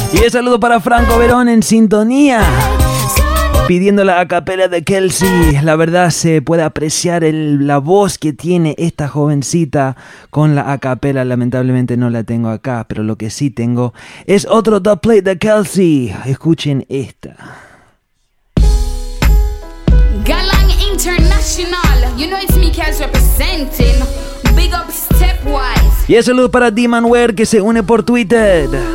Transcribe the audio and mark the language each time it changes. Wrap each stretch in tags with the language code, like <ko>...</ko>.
<es>Saludo para Franco Verón en sintonía, pidiendo la acapella de Kelsey. La verdad se puede apreciar la voz que tiene esta jovencita con la acapella. Lamentablemente no la tengo acá, pero lo que sí tengo es otro dub plate de Kelsey. Escuchen esta.</es> <en>Galang International, you know it's me, Kels representing. Big up Stepwise.</en> <es>Y el saludo para D-Manware que se une por Twitter.</es>